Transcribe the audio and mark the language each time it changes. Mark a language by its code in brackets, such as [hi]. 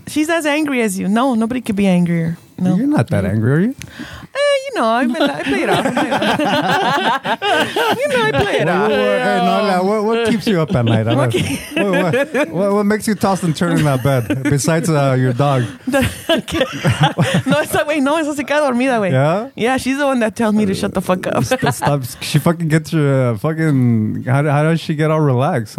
[en] she's as angry as you. No, nobody could be angrier. No. You're not that angry, are you? You know, I play it off. What keeps you up at night? Okay. What makes you toss and turn in that bed besides your dog? [es] No, esa wey, no, esa se queda dormida, wey. [en] Yeah? Yeah, she's the one that tells me to shut the fuck up. Stop. She fucking gets your fucking, how does she get all relaxed?